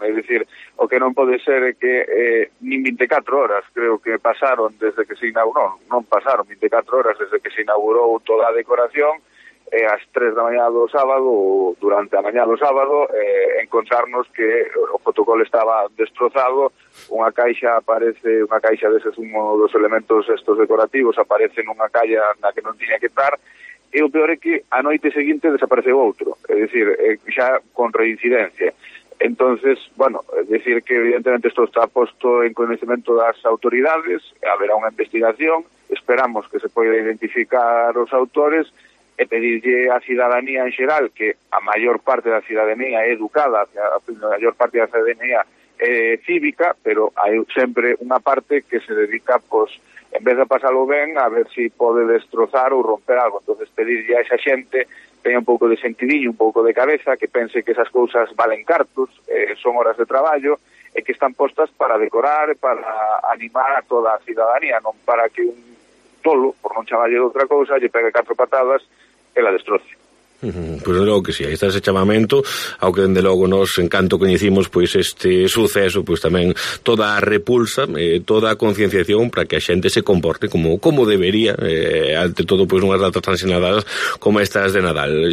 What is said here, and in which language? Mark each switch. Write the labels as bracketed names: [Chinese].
[Galician] É dicir, o que non pode ser é que nin 24 horas, creo que pasaron desde que se inaugurou, non pasaron 24 horas desde que se inaugurou toda a decoración, ás 3 da mañá do sábado, ou durante a mañá do sábado, encontrarnos que o protocolo estaba destrozado, unha caixa aparece, unha caixa deses, un dos elementos estos decorativos, aparece nunha calle na que non tiña que estar, e o peor é que a noite seguinte desapareceu outro, é dicir, xa con reincidencia. [Spanish] Entonces, bueno, decir que evidentemente esto está puesto en conocimiento de las autoridades, habrá una investigación, esperamos que se pueda identificar los autores y pedirle a ciudadanía en general, que a mayor parte de la ciudadanía es educada, la mayor parte de la ciudadanía cívica, pero hay siempre una parte que se dedica, pues, en vez de pasarlo bien, a ver si puede destrozar o romper algo. Entonces, pedirle a esa gente tenga un poco de sentidillo, un poco de cabeza, que pense que esas cosas valen cartos, son horas de trabajo, que están puestas para decorar, para animar a toda la ciudadanía, no para que un tolo, por no chamarle de otra cosa, le pegue cuatro patadas y la destroce. [Galician] Pues desde logo que sí, aí está ese chamamento, ao que dende logo nos encanto coñecimos pois este suceso, pois tamén toda a repulsa, toda a concienciación para que a xente se comporte como debería, ante todo pois unhas datas tan sinaladas como estas de Nadal.